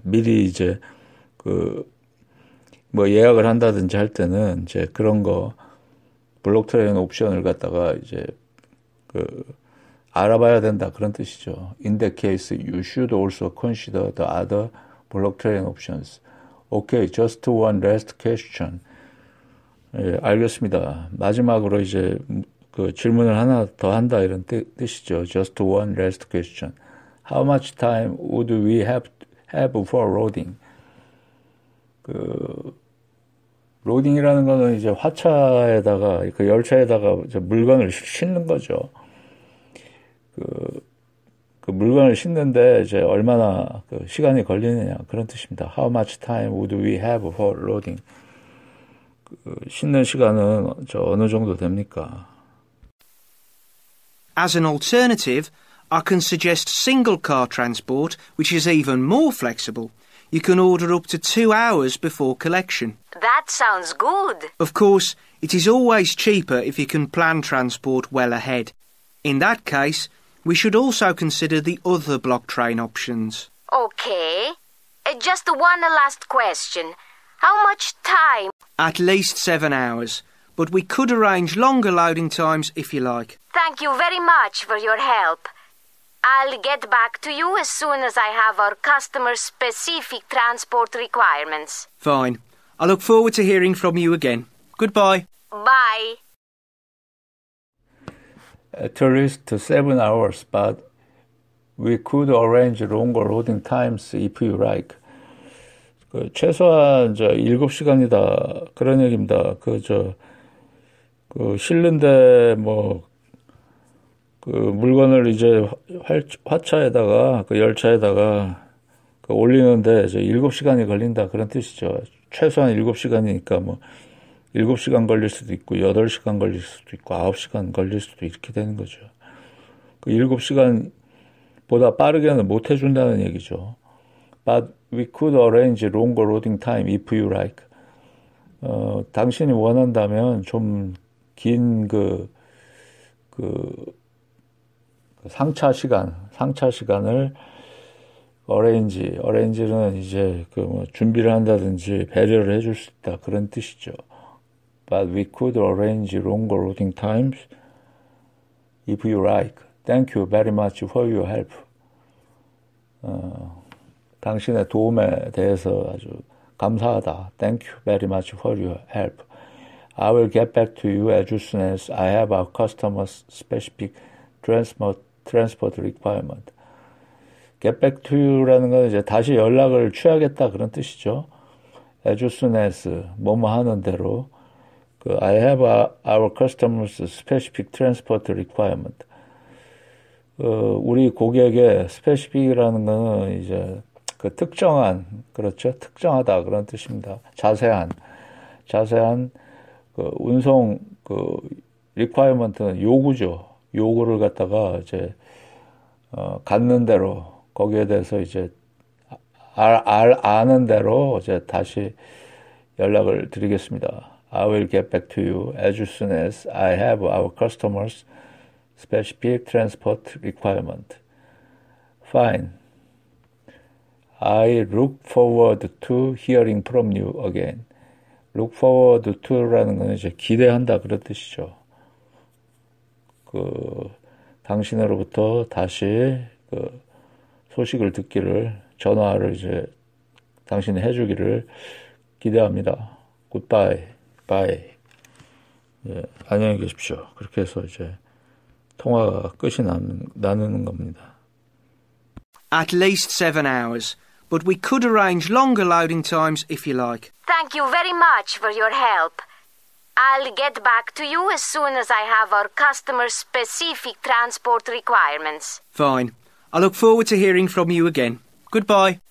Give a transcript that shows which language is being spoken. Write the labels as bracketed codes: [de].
[ko] 미리 이제 그 뭐 예약을 한다든지 할 때는 이제 그런 거 블록 트레인 옵션을 갖다가 이제 그 알아봐야 된다 그런 뜻이죠. [en] In that case, you should also consider the other block train options. Okay, just one last question. [ko] 예, 알겠습니다. 마지막으로 이제 그 질문을 하나 더 한다 이런 뜻이죠. [en] Just one last question. How much time would we have for loading? [ko] 그 로딩이라는 거는 이제 화차에다가 그 열차에다가 이제 물건을 싣는 거죠. 그 물건을 싣는데 이제 얼마나 그 시간이 걸리느냐 그런 뜻입니다. [en] How much time would we have for loading? [ko] 그 싣는 시간은 저 어느 정도 됩니까? [en] As an alternative, I can suggest single car transport, which is even more flexible. You can order up to 2 hours before collection. That sounds good. Of course, it is always cheaper if you can plan transport well ahead. In that case, we should also consider the other block train options. OK. Just one last question. How much time? At least 7 hours. But we could arrange longer loading times if you like. Thank you very much for your help. I'll get back to you as soon as I have our customer-specific transport requirements. Fine. I look forward to hearing from you again. Goodbye. Bye. at least 7 hours, but we could arrange longer loading times if you like. [ko] 그 최소한 저 7시간이다. 그런 얘기입니다. 그 저 그 실는데 뭐 그 물건을 이제 화차에다가 그 열차에다가 그 올리는데 저 7시간이 걸린다. 그런 뜻이죠. 최소한 7시간이니까 뭐 7시간 걸릴 수도 있고 8시간 걸릴 수도 있고 9시간 걸릴 수도 이렇게 되는 거죠. 그 7시간보다 빠르게는 못 해 준다는 얘기죠. [en] But we could arrange longer loading time if you like. [ko] 당신이 원한다면 좀 긴 상차 시간을 arrange는 이제 그 뭐 준비를 한다든지 배려를 해줄 수 있다 그런 뜻이죠. [en] But we could arrange longer loading times if you like. Thank you very much for your help. [ko] 당신의 도움에 대해서 아주 감사하다. [en] Thank you very much for your help. I will get back to you as soon as I have a customer's specific transport requirement. Get back to you [ko] 라는 건 이제 다시 연락을 취하겠다 그런 뜻이죠. [en] As soon as [ko] 뭐뭐 하는 대로 그 [en] I have our customer's specific transport requirement. [ko] 우리 고객의 specific이라는 건 이제 그 특정한, 그렇죠? 특정하다 그런 뜻입니다. 자세한 그 운송 그 requirement는 요구죠. 요구를 갖다가 이제 갖는 대로 거기에 대해서 이제 아는 대로 이제 다시 연락을 드리겠습니다. [en] I will get back to you as soon as I have our customer's specific transport requirement. Fine. I look forward to hearing from you again. Look forward to [ko] 라는 건 이제 기대한다 그런 뜻이죠. 그 당신으로부터 다시 그 소식을 듣기를 전화를 이제 당신이 해주기를 기대합니다. [en] Goodbye. Bye. [ko] 예, 안녕히 계십시오. 그렇게 해서 이제 통화가 끝이 나는 겁니다. [en] At least 7 hours. But we could arrange longer loading times if you like. Thank you very much for your help. I'll get back to you as soon as I have our customer-specific transport requirements. Fine. I look forward to hearing from you again. Goodbye.